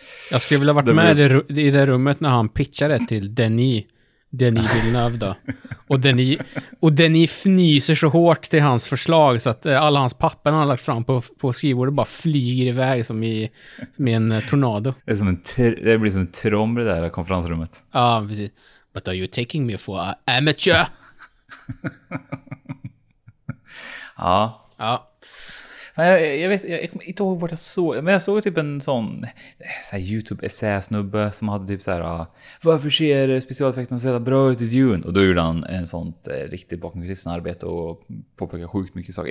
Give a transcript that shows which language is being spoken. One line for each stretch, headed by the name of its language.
Swedish: Jag skulle vilja ha varit med i det rummet när han pitchade till Denis Villeneuve då. Och Denis fnyser så hårt till hans förslag, så att alla hans papper han har lagt fram på skrivbordet bara flyger iväg som i en tornado. Det är som en det blir som en trom i det där konferensrummet. Ja, precis.
English: But are you taking me for an amateur?
Swedish: Ja. Ja. Jag kommer inte ihåg vart jag såg, men jag såg typ en sån så här YouTube-essä-snubbe som hade typ så här, varför ser specialeffekterna så bra ut i Dune? Och då gjorde han en sånt riktigt bakomkulisserna arbete och påpekade sjukt mycket saker.